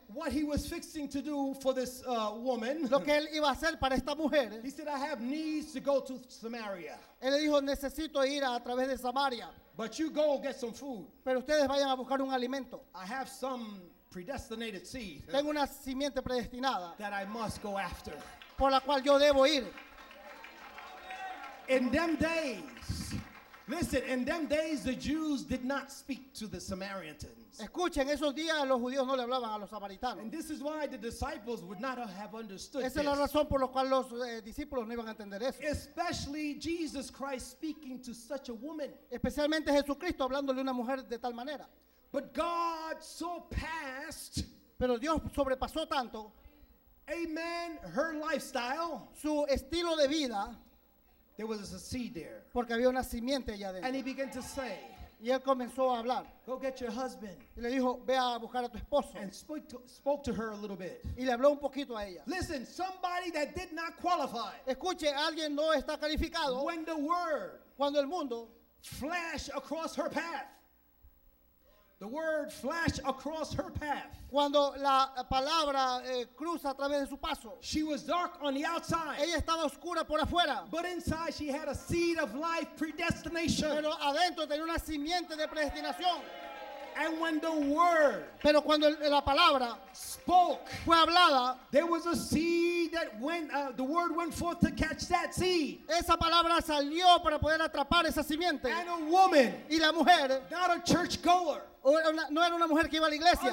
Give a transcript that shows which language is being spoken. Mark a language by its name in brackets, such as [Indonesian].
[English] What he was fixing to do for this woman. [Spanish] Lo que él iba a hacer para esta mujer. [English] He said, "I have needs to go to Samaria." [Spanish] Él le dijo, necesito ir a través de Samaria. [English] But you go get some food. [Spanish] Pero ustedes vayan a buscar un alimento. [English] I have some predestinated seed. [Spanish] Tengo una simiente predestinada. [English] That I must go after. [Spanish] Por la cual yo debo ir. [English] In them days. Listen, in them days the Jews did not speak to the Samaritans. [Spanish] Escuchen, esos días los judíos no le hablaban a los samaritanos. [English] And this is why the disciples would not have understood. [Spanish] Esa es la razón por la cual los discípulos no iban a entender eso. [English] Especially Jesus Christ speaking to such a woman. [Spanish] Especialmente Jesucristo hablándole a una mujer de tal manera. [English] But God surpassed. [Spanish] Pero Dios sobrepasó tanto. [English] Amen. Her lifestyle. [Spanish] Su estilo de vida. [English] There was a seed there. [Spanish] Porque había una simiente allá dentro. [English] And he began to say, [Spanish] y él comenzó a hablar. [English] Go get your husband. [Spanish] Y le dijo, ve a buscar a tu esposo. [English] And spoke to her a little bit. [Spanish] Y le habló un poquito a ella. [English] Listen, somebody that did not qualify. [Spanish] Escuche, alguien no está calificado. [English] When the word, [Spanish] cuando el mundo, [English] flash across her path. The word flashed across her path. [Spanish] Cuando la palabra cruza a través de su paso. [English] She was dark on the outside. [Spanish] Ella estaba oscura por afuera. [English] But inside she had a seed of life predestination. [Spanish] Pero adentro tenía una simiente de predestinación. [English] And when the word, [Spanish] pero cuando la palabra, [English] spoke, [Spanish] fue hablada, [English] there was a seed that went, the word went forth to catch that seed. [Spanish] Esa palabra salió para poder atrapar esa simiente. [English] And a woman, [Spanish] y la mujer, [English] not a churchgoer, [Spanish] no era una mujer que iba a la iglesia,